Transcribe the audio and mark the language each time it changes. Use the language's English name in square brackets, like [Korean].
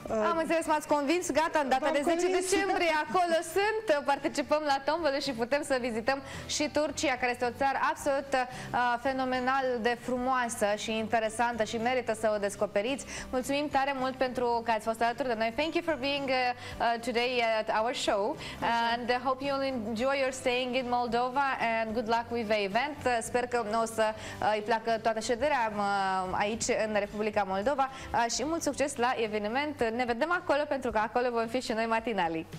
[Romanian] Am înțeles, m-ați convins, gata, în data de 10 decembrie, acolo sunt, participăm la tombolă și putem să vizităm și Turcia, care este o țară absolut fenomenal de frumoasă și interesantă și merită să o descoperiți. Mulțumim tare mult pentru că ați fost alături de noi. [English] Thank you for being today at our show. Așa. And hope you'll enjoy your staying in Moldova and good luck with the event. [Romanian] Sper că o să îi placă toată șederea aici în Republica Moldova și mult succes la eveniment. Ne vedem acolo pentru că acolo vom fi și noi matinalii.